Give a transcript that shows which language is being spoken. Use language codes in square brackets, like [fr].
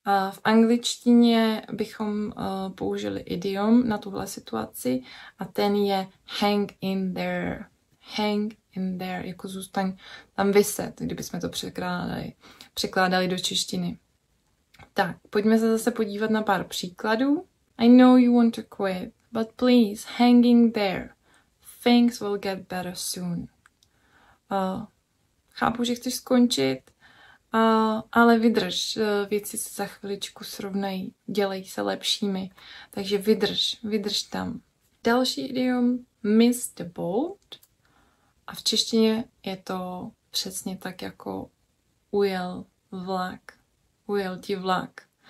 [cs] V angličtině bychom použili idiom na tuhle situaci a ten je hang in there. Hang in there, jako zůstaň tam viset, kdybychom to překládali do češtiny. Tak, pojďme se zase podívat na pár příkladů. [en] I know you want to quit, but please, hang in there. things will get better soon. [cs] Chápu, že chceš skončit, ale vydrž, věci se za chviličku srovnají, dělej se lepšími, takže vydrž, vydrž tam. Další idiom, miss the boat, a v češtině je to přesně tak, jako ujel vlak, ujel ti vlak.